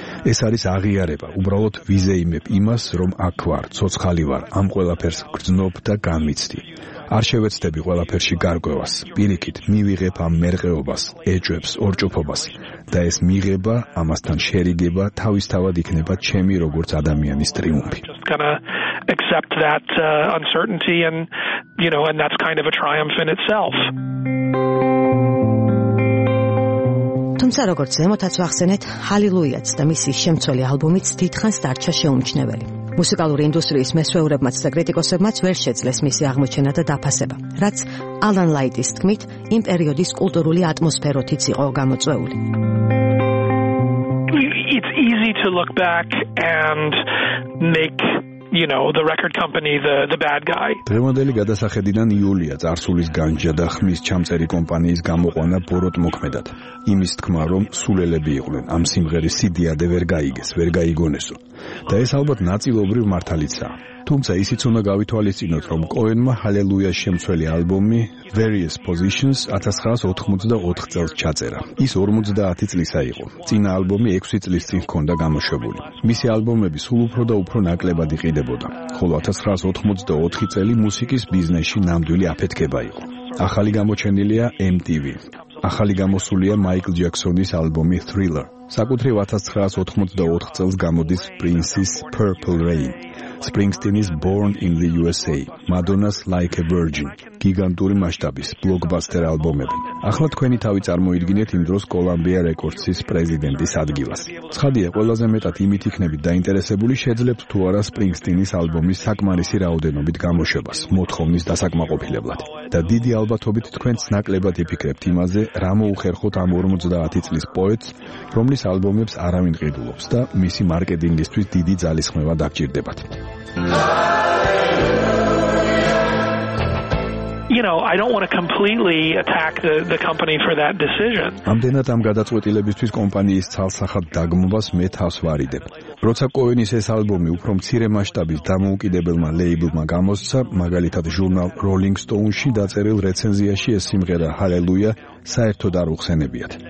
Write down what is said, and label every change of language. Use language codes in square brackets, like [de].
[ka] ეს არის აღიარება, უბრალოდ ვიზეიმებ იმას, რომ აქ ვარ, ცოცხალი ვარ, ამ ყველაფერს გრძნობ და განმიცდი. არ შევეცდები ყველაფერში გარკვევას, პირიქით მივიღებ ამ მერყეობას, ეჭვებს, ორჭოფობას და ეს მიღება, ამასთან შერიგება, თავისთავად იქნება ჩემი როგორც ადამიანის ტრიუმფი. [en] Accept that uncertainty and you know and that's kind of a triumph in itself. [ka] თუმცა როგორც ზემოთაც ვახსენეთ, ჰალილუიაც და მისი შემცველი ალბომიც დიდხანს დარჩა შეუმჩნეველი. მუსიკალური ინდუსტრიის მესვეურებმაც და კრიტიკოსებმაც ვერ შეძლეს მისი აღმოჩენა და დაფასება, რაც ალან ლაიტის თქმით, იმ პერიოდის კულტურული ატმოსფეროთიც იყო გამოწვეული. [en] It's easy to look back and make you know the record company the bad guy. [ka] დღევანდელი გადასახედიდან იულია წარსულის განჯა და ხმის ჩამწერი კომპანიის გამოყვანა ბოროტ მოქმედად. იმის თქმა, რომ სულელები იყვნენ, ამ სიმღერის სიდიადე ვერ გაიგეს, ვერ გაიგონესო. და ეს ალბათ ნაწილობრივ მართალიცაა. თუმცა ისიც უნდა გავითვალისწინოთ, რომ კოენმა ჰალელუიას შემცველი ალბომი Various Positions 1984 წელს ჩაწერა. ის 50 წლისა იყო. წინა ალბომი 6 წლის წინ ჰქონდა გამოშვებული. მისი ალბომები სულ უფრო და უფრო ნაკლებად იყიდებოდა. ხოლო 1984 წელი მუსიკის ბიზნესში ნამდვილი აფეთქება იყო. ახალი გამოჩენილია MTV. ახალი გამოსულია Michael Jackson-ის ალბომი Thriller. საკუთრივ 1984 წელს გამოდის Prince-ის Purple Rain, Springsteen-ის Born in the USA, Madonna's Like a Virgin, გიგანტური მასშტაბის ბლოკბასტერ ალბომები. ახლა თქვენი თავი წარმოიდგინეთ იმ დროს Columbia Records-ის პრეზიდენტის ადგილას. ცხადია, ყველაზე მეტად იმით იქნებით დაინტერესებული, შეძლებთ თუ არა Springsteen-ის ალბომის საკმარისი რაოდენობით გამოშვებას, მოთხოვნის დასაკმაყოფილებლად. და დიდი ალბათობით თქვენც ნაკლებად იფიქრებთ იმაზე, რა მოუხერხოთ ამ 50 წლის პოეტს, რომლის ალბომებს არავინ ყიდულობს და მისი მარკეტინგისთვის დიდი ძალისხმევა დაგჭირდებათ. [en] You know, I don't want to completely attack the company for that decision. [ka] ამდენად ამ გადაწყვეტილებისთვის კომპანიის ცალსახად დაგმობას მე თავს ვარიდებ. როცა კოენის ეს ალბომი უფრო მცირე მასშტაბის დამოუკიდებელმა ლეიბლმა გამოსცა, მაგალითად ჟურნალ Rolling Stone-ში დაწერილ რეცენზიაში ეს სიმღერა Hallelujah საერთოდ არ უხსენებიათ.